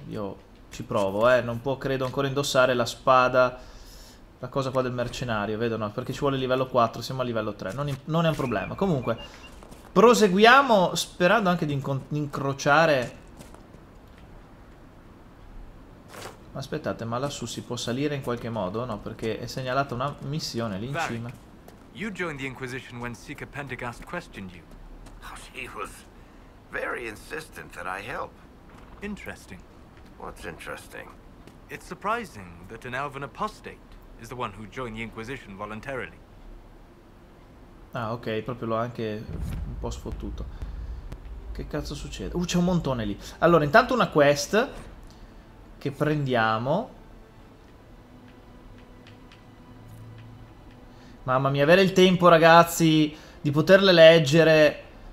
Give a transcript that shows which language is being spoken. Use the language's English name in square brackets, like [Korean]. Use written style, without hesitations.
[Italian] Io ci provo, non può credo ancora indossare la spada, la cosa qua del mercenario, vedo no, perché ci vuole livello 4, siamo a livello 3, non è un problema. Comunque proseguiamo sperando anche di incrociare. Aspettate, ma lassù si può salire in qualche modo? No, perché è segnalata una missione lì in cima. [English] You joined the Inquisition when Seeker Pendergast questioned you. He was very insistent that I help. Interesting. What's interesting? It's surprising that an Elven apostate is the one who joined the Inquisition voluntarily. [Italian] Ah, ok, proprio l'ho anche un po' sfottuto. Che cazzo succede? C'è un montone lì. Allora, intanto una quest che prendiamo. Mamma mia, avere il tempo, ragazzi, di poterle leggere.